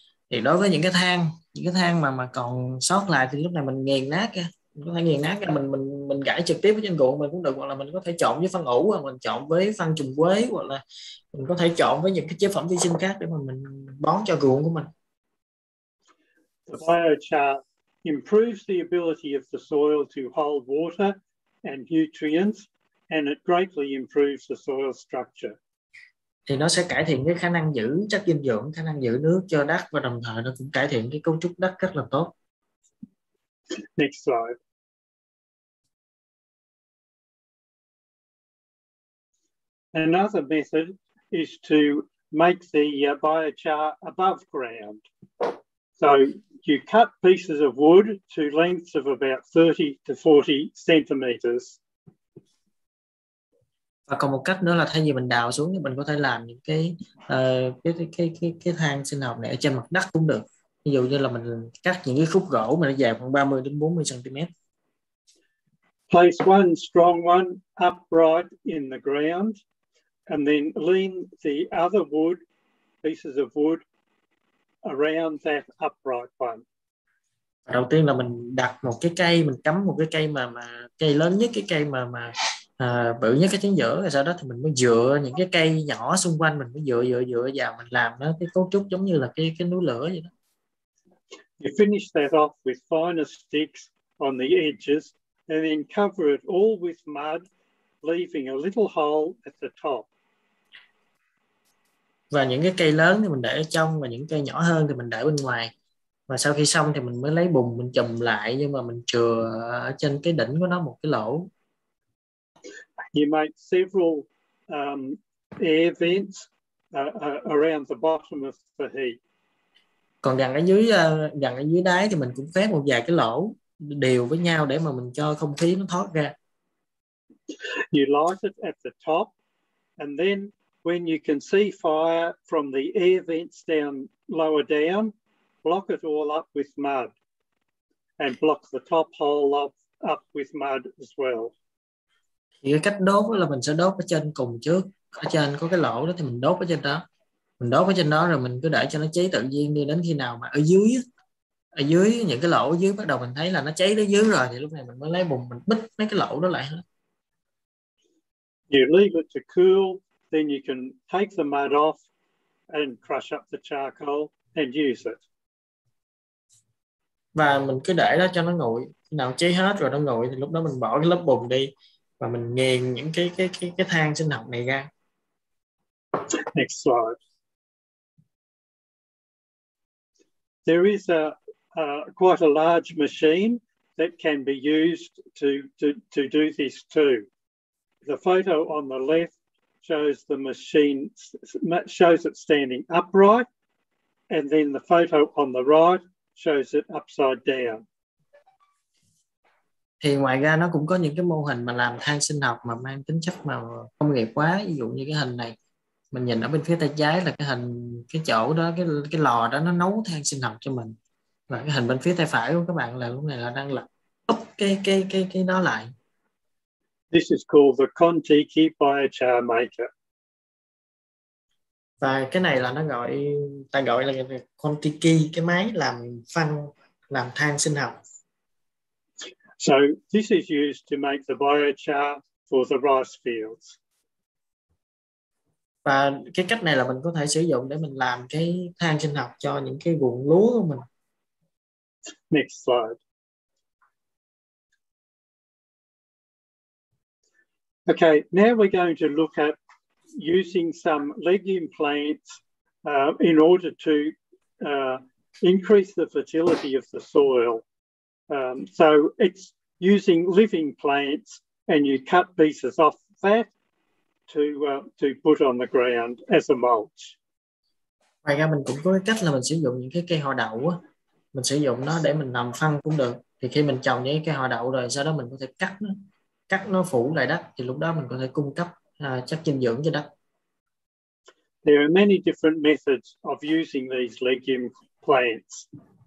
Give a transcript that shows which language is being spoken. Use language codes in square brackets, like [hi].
[vi] Thì đối với những cái than mà còn sót lại thì lúc này mình nghiền nát ra. Mình có thể nghiền nát ra, mình gãi trực tiếp với trên ruộng mình cũng được, hoặc là mình có thể trộn với phân ủ, hoặc là mình trộn với phân trùng quế, hoặc là mình có thể trộn với những cái chế phẩm vi sinh khác để mà mình bón cho ruộng của mình. [en] The biochar improves the ability of the soil to hold water and nutrients, and it greatly improves the soil structure. [vi] Thì nó sẽ cải thiện cái khả năng giữ chất dinh dưỡng, khả năng giữ nước cho đất, và đồng thời nó cũng cải thiện cái cấu trúc đất rất là tốt. [en] Next slide. Another method is to make the biochar above ground. So you cut pieces of wood to lengths of about 30 to 40 centimeters. [vi] Và còn một cách nữa là thay vì mình đào xuống thì mình có thể làm những cái than sinh học này ở trên mặt đất cũng được. Ví dụ như là mình cắt những cái khúc gỗ mà nó dài khoảng 30 đến 40 cm. [en] Place one strong one upright in the ground and then lean the other wood, pieces of wood around that upright one. [vi] Đầu tiên là mình đặt một cái cây, mình cắm một cái cây mà cây lớn nhất, cái cây mà bự nhất cái chính giữa, rồi sau đó thì mình mới dựa những cái cây nhỏ xung quanh, mình mới dựa vào, mình làm nó cái cấu trúc giống như là cái núi lửa vậy đó. [en] You finish that off with finer sticks on the edges and then cover it all with mud, leaving a little hole at the top. [vi] và những cái cây lớn thì mình để ở trong và những cây nhỏ hơn thì mình để bên ngoài. Và sau khi xong thì mình mới lấy bùn mình chùm lại, nhưng mà mình chừa ở trên cái đỉnh của nó một cái lỗ. [en] You make several air vents around the bottom of the heap. [vi] Còn gần ở dưới đáy thì mình cũng khoét một vài cái lỗ đều với nhau để mà mình cho không khí nó thoát ra. [en] You light it at the top, and then when you can see fire from the air vents down lower down, block it all up with mud, and block the top hole up with mud as well. [vi] Thì cái cách đốt là mình sẽ đốt ở trên cùng trước, ở trên có cái lỗ đó thì mình đốt ở trên đó. Mình đốt ở trên đó rồi mình cứ để cho nó cháy tự nhiên đi, đến khi nào mà ở dưới những cái lỗ ở dưới bắt đầu mình thấy là nó cháy tới dưới rồi thì lúc này mình mới lấy bùn mình bít mấy cái lỗ đó lại. [en] You leave it to cool, then you can take the mud off and crush up the charcoal and use it. [vi] Và mình cứ để đó cho nó nguội, khi nào cháy hết rồi nó nguội thì lúc đó mình bỏ cái lớp bùn đi và mình nghiền những cái than sinh học này ra. [en] Next slide. There is a quite a large machine that can be used to do this too. The photo on the left shows the machine, shows it standing upright, and then the photo on the right shows it upside down. [vi] Thì ngoài ra nó cũng có những cái mô hình mà làm than sinh học mà mang tính chất mà công nghiệp quá, ví dụ như cái hình này mình nhìn ở bên phía tay trái là cái hình cái chỗ đó, cái lò đó nó nấu than sinh học cho mình, và cái hình bên phía tay phải của các bạn là lúc này là đang lật úp cái đó lại. [en] This is called the Contiki biochar maker. [vi] Và cái này là nó gọi ta gọi là Contiki, cái máy làm phân làm than sinh học. [en] So this is used to make the biochar for the rice fields. [vi] Và cái cách này là mình có thể sử dụng để mình làm cái than sinh học cho những cái ruộng lúa của mình. [en] Next slide. Okay, now we're going to look at using some legume plants in order to increase the fertility of the soil. So it's using living plants, and you cut pieces off that to put on the ground as a mulch. [vi] Ngoài ra mình cũng có cách là mình sử dụng những cái cây họ đậu á, mình sử dụng nó để mình làm phân cũng được. Thì khi mình trồng những cây họ đậu rồi, sau đó mình có thể cắt nó phủ lại đất, thì lúc đó mình có thể cung cấp chất dinh dưỡng cho đất. [en] There are many different methods of using these legume plants.